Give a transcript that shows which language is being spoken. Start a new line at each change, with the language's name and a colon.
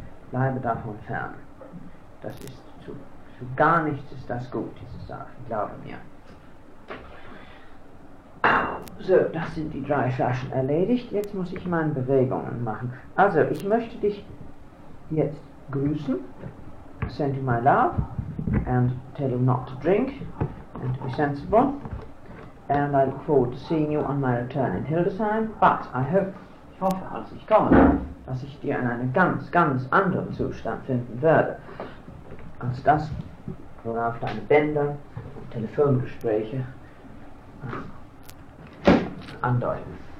German: Bleibe davon fern. Das ist zu gar nichts ist das gut, dieses Saufen, glaube mir. So, das sind die drei Flaschen erledigt. Jetzt muss ich meine Bewegungen machen. Also, ich möchte dich jetzt grüßen.
English: Send you my love. And tell you not to drink. And to be sensible. And I look forward to seeing you on my return in Hildesheim. But I hope,
German: ich hoffe, als ich komme, dass ich dir in einem ganz, ganz anderen Zustand finden werde. Als das, worauf deine Bänder und Telefongespräche andeuten.